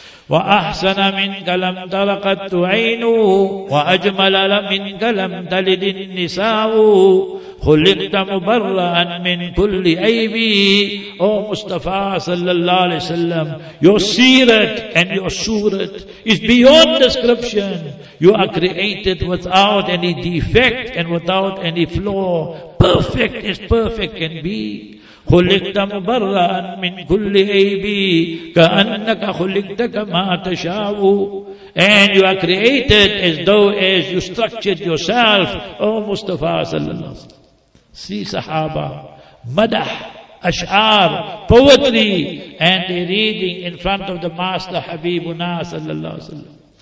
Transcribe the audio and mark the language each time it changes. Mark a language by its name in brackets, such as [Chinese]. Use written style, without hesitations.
[Arabic] وَأَحْسَنَ مِنْكَ لَمْ تَرَقَتْتُ عَيْنُهُ وَأَجْمَلَ مِنْكَ لَمْ تَلِدِ النِّسَاءُ خُلِقْتَ مُبَرَّأً مِنْ كُلِّ عَيْبٍ. [English] O Mustafa sallallahu alayhi wa sallam, your seerat and your surat is beyond description. You are created without any defect and without any flaw, perfect as perfect can be. [Arabic] خلقت مبرا من كل عيب كأنك خلقت كما تشاء. [English] And you are created as though as you structured yourself, O Mustafa sallallahu alaihi wasallam. See Sahaba, madah, ashar, poetry, and they reading in front of the Master Habibuna sallallahu alaihi wasallam.